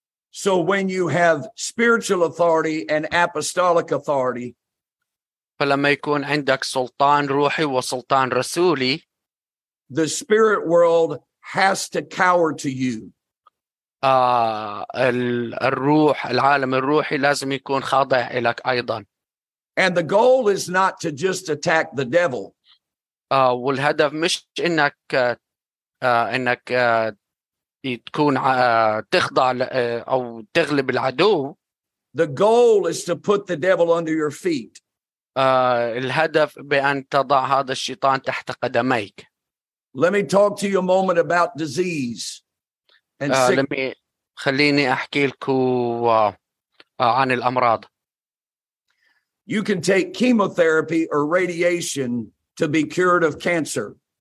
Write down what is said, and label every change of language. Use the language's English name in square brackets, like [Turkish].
[English] So when you have spiritual authority and apostolic authority, [Arabic] فلما يكون عندك سلطان روحي وسلطان رسولي, [English] the spirit world has to cower to you. [Arabic] الروح العالم الروحي لازم يكون خاضع لك أيضا. [English] And the goal is not to just attack the devil. [Arabic] والهدف مش إنك انك تكون تخضع او تغلب العدو. [English] The goal is to put the devil under your feet. [Arabic] الهدف بان تضع هذا الشيطان تحت قدميك. [English] Let me talk to you a moment about disease and [Arabic] خليني احكي لكم عن الامراض. [English] You can take chemotherapy or radiation to be cured of cancer.